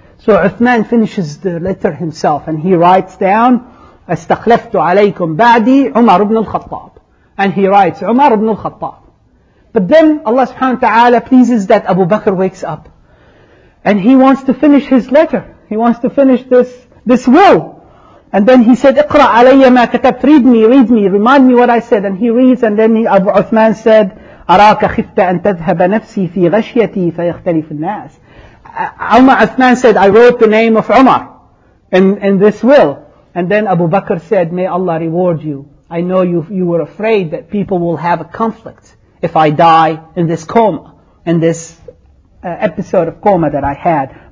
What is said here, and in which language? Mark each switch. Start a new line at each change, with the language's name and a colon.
English: So Uthman finishes the letter himself and he writes down,
Arabic: أَسْتَخْلَفْتُ عَلَيْكُمْ بَعْدِي عُمَرُ بْنُ الْخَطَّابِ.
English: And he writes, عُمَرُ بْنُ الْخَطَّابِ. But then Allah subhanahu wa ta'ala pleases that Abu Bakr wakes up. And he wants to finish his letter. He wants to finish this will. And then he said,
Arabic: اقْرَأْ عَلَيَّ مَا كَتَبْتُ.
English: Read me, remind me what I said. And he reads, and then Abu Uthman said,
Arabic: أَرَاكَ خِفْتَ أَن تَذْهَبَ نَفْسِي فِي غَشْيَتِي فَيَخْتَلِفُ النَّاسِ.
English: Umar Uthman said, I wrote the name of Umar in this will. And then Abu Bakr said, may Allah reward you. I know you were afraid that people will have a conflict if I die in this coma, in this episode of coma that I had.